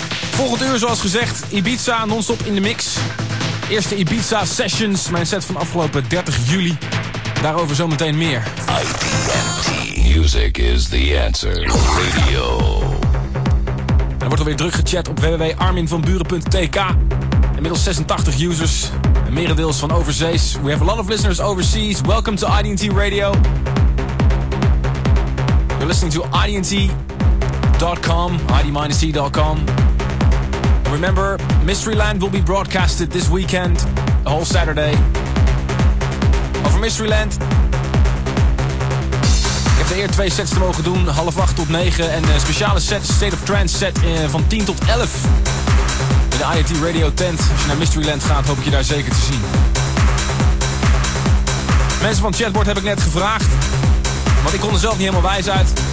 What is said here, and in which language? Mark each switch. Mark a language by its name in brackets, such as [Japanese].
[Dutch] Volgend uur, zoals gezegd, Ibiza non-stop in de mix. Eerste Ibiza Sessions, mijn set van afgelopen 30 juli. Daarover zometeen meer. [English] IDMT. Music is the answer. Radio. [Dutch] Er wordt alweer druk gechat op www.arminvanburen.tk. Inmiddels 86 users. En merendeels van overzees. [English] We have a lot of listeners overseas. Welcome to IDMT Radio. You're listening to IDMT.com. ID-T.com. Remember, Mysteryland will be broadcasted this weekend, the whole Saturday. [Dutch] Over Mysteryland. Ik heb de eer twee sets te mogen doen, 7:30 tot 9:00. En een speciale set, State of Trance set, van 10 tot 11:00. In de IoT Radio tent. Als je naar Mysteryland gaat, hoop ik je daar zeker te zien. Mensen van het chatbord heb ik net gevraagd. Want ik kon er zelf niet helemaal wijs uit.